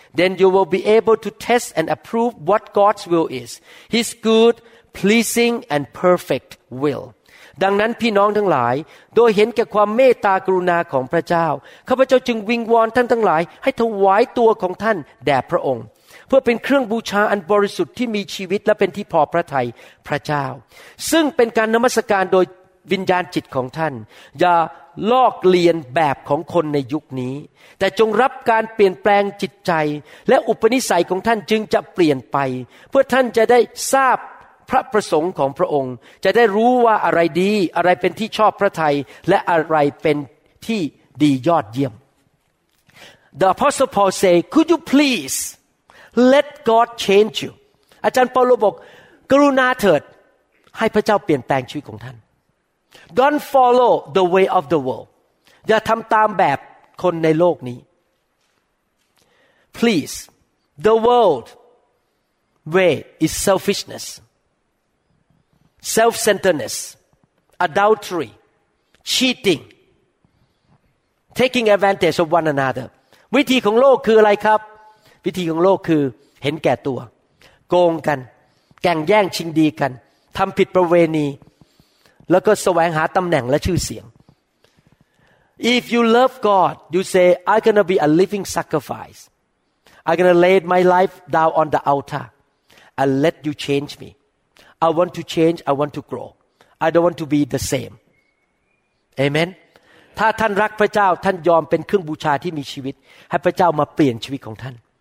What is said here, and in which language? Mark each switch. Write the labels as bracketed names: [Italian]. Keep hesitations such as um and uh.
[English] Then you will be able to test and approve what God's will is, His good, pleasing, and perfect will. [Thai] ดังนั้นพี่น้องทั้งหลายโดยเห็นแก่ความเมตตากรุณาของพระเจ้าข้าพเจ้าจึงวิงวอนท่านทั้งหลาย ให้ถวายตัวของท่านแด่พระองค์ เพื่อเป็นเครื่องบูชาอันบริสุทธิ์ที่มีชีวิตและเป็นที่พอพระทัยพระเจ้า ซึ่งเป็นการนมัสการโดยวิญญาณจิตของท่านอย่าลอกเลียนแบบของคนในยุคนี้ แต่จงรับการเปลี่ยนแปลงจิตใจ และอุปนิสัยของท่านจึงจะเปลี่ยนไป เพื่อท่านจะได้ทราบพระประสงค์ของพระองค์ จะได้รู้ว่าอะไรดีอะไรเป็นที่ชอบพระทยัยและอะไรเป็นที่ดียอดเยี่ยม [English] The Apostle Paul say Could you please let God change you [Thai] อาจารย์เปาโลบอกกรุณาเถิด ให้พระเจ้าเปลี่ยนแปลงชีวิตของท่าน [English] Don't follow the way of the world. [Thai] อย่าทำตามแบบคนในโลกนี้ [English] Please, the world way is selfishness, self-centeredness, adultery, cheating, taking advantage of one another. [Thai] วิธีของโลกคืออะไรครับ วิธีของโลกคือเห็นแก่ตัว โกงกันแก่งแย่งชิงดีกันทำผิดประเวณีแล้วก็สแสวงหาตำแหน่งและชื่อเสียง [English] if you love God you say I'm gonna be a living sacrifice I'm gonna lay my life down on the altar and let you change me I want to change I want to grow I don't want to be the same Amen [Thai] ถ้าท่านรักพระเจ้าท่านยอมเป็นเครื่องบูชาที่มีชีวิต ให้พระเจ้ามาเปลี่ยนชีวิตของท่าน